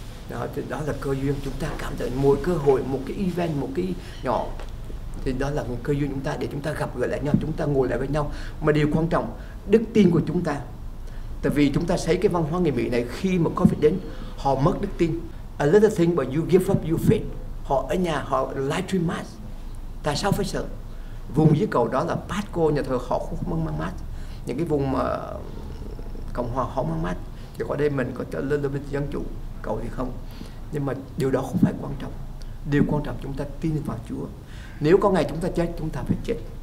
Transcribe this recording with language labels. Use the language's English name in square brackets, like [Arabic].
[Vietnamese] Đó, thì đó là cơ duyên. Chúng ta cảm thấy mỗi cơ hội, một cái event, một cái nhỏ, thì đó là một cơ duyên chúng ta để chúng ta gặp gỡ lại nhau, chúng ta ngồi lại với nhau. Mà điều quan trọng, đức tin của chúng ta. Tại vì chúng ta thấy cái văn hóa người Mỹ này, khi mà COVID đến, họ mất đức tin. [English] A little thing but you give up your faith. [Vietnamese] Họ ở nhà, họ [English] live stream mass. [Vietnamese] Tại sao phải sợ? Vùng dưới cầu đó là Pasco, nhà thờ họ không mang mask. Những cái vùng mà Cộng Hòa họ mang mask. Thì ở đây mình có trở lên lên dân chủ, cầu thì không. Nhưng mà điều đó không phải quan trọng. Điều quan trọng chúng ta tin vào Chúa. Nếu có ngày chúng ta chết, chúng ta phải chết.